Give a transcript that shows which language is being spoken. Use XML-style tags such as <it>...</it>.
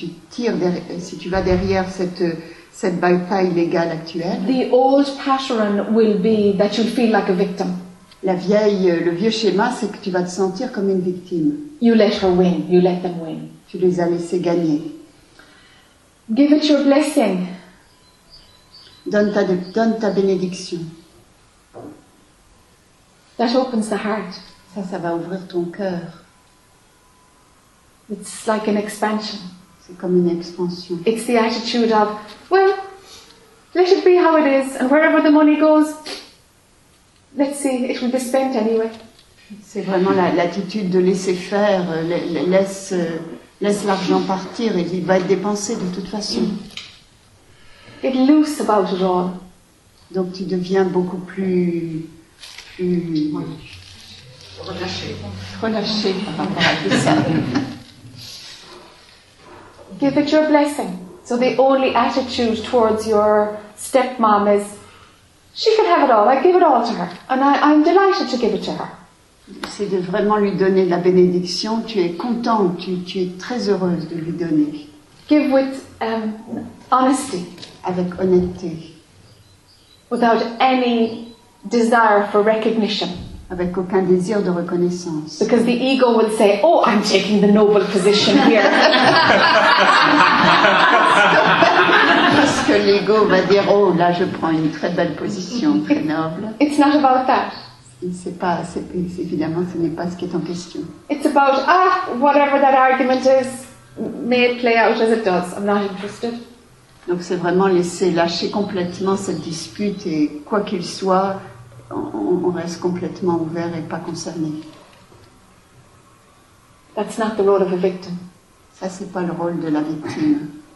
<fr>si tu vas derrière cette bataille légale actuelle.</fr> <en>The old pattern will be that you'll feel like a victim.</en> <fr>Le vieux schéma, c'est que tu vas te sentir comme une victime.</fr> <en>You let her win. You let them win.</en> <fr>Tu les as laissés gagner.</fr> <en>Give it your blessing.</en> <fr>Donne ta bénédiction.</fr> <en>That opens the heart.</en> <fr>Ça va ouvrir ton cœur.</fr> <en>It's like an expansion.</en> <fr>Comme une expansion.</fr> <en>It's the attitude of, well, let it be how it is, and wherever the money goes, let's see, it will be spent anyway.</en> <fr>C'est vraiment l'attitude de laisser faire, laisse l'argent partir, et il va être dépensé de toute façon.</fr> <en>Get loose about it all.</en> <fr>Donc tu deviens beaucoup plus relâché par rapport à tout ça.</fr> <en>Give it your blessing. So the only attitude towards your stepmom is, she can have it all. I give it all to her, and I'm delighted to give it to her.</en> <fr>C'est de vraiment lui donner la bénédiction. Tu es contente. Tu es très heureuse de lui donner.</fr> <en>Give with honesty.</en> <fr>Avec honnêteté.</fr> <en>Without any desire for recognition.</en> <fr>Avec aucun désir de reconnaissance.</fr> <en>Because the ego will say, oh, I'm taking the noble position here.</en> <fr>Parce que l'ego va dire, oh, là, je prends une très belle position, très noble.</fr> <en>It's not about that.</en> <fr>Évidemment, ce n'est pas ce qui est en question.</fr> <en>It's about, whatever that argument is, may it play out as it does. I'm not interested.</en> <fr>Donc c'est vraiment lâcher complètement cette dispute et quoi qu'il soit, on reste complètement ouvert et pas concerné.</fr> <en>That's not the role of a victim.</en> <fr>Ça, c'est pas le rôle de la victime.</fr>